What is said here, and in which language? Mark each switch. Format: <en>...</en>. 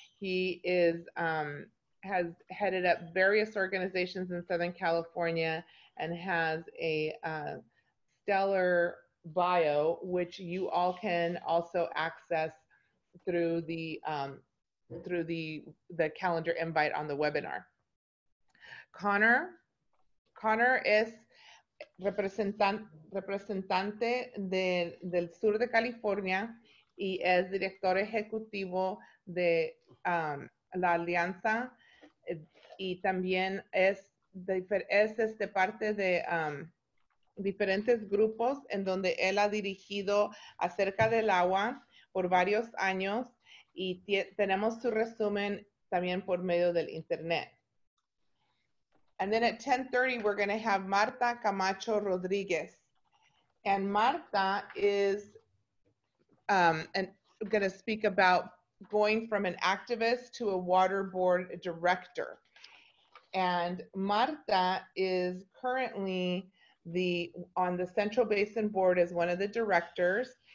<en>He has headed up various organizations in Southern California and has a stellar bio, which you all can also access through the calendar invite on the webinar.</en> <es>Connor es representante del sur de California y es director ejecutivo de la Alianza y también es parte de diferentes grupos en donde él ha dirigido acerca del agua por varios años y tenemos su resumen también por medio del internet.</es> <en>And then at 10:30 we're going to have Marta Camacho Rodriguez. And Marta is going to speak about going from an activist to a water board director. And Marta is currently on the Central Basin Board as one of the directors.</en>